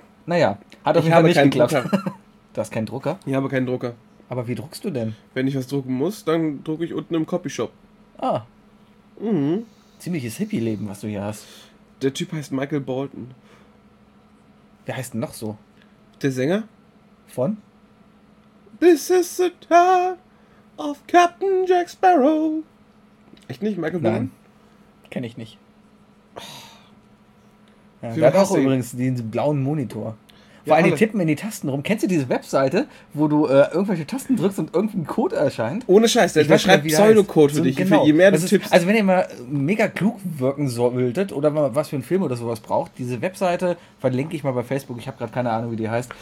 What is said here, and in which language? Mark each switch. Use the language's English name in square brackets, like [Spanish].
[German] Naja, hat auf jeden Fall nicht geklappt. Drucker. Du hast keinen Drucker? Ich habe keinen Drucker. Aber wie druckst du denn? Wenn ich was drucken muss, dann drucke ich unten im Copyshop. Ah. Mhm. Ziemliches Hippie-Leben, was du hier hast. Der Typ heißt Michael Bolton. Wer heißt denn noch so? Der Sänger? Von? [English] This is the time of Captain Jack Sparrow. [German] Echt nicht, Michael Bolton? Nein, kenne ich nicht. Ja, der hat auch übrigens den blauen Monitor. Vor allem, die tippen in die Tasten rum. Kennst du diese Webseite, wo du irgendwelche Tasten drückst und irgendein Code erscheint? Ohne Scheiß, der schreibt Pseudocode für dich. Genau. Je mehr du tippst. Also, wenn ihr mal mega klug wirken solltet oder mal was für einen Film oder sowas braucht, diese Webseite verlinke ich mal bei Facebook. Ich habe gerade keine Ahnung, wie die heißt.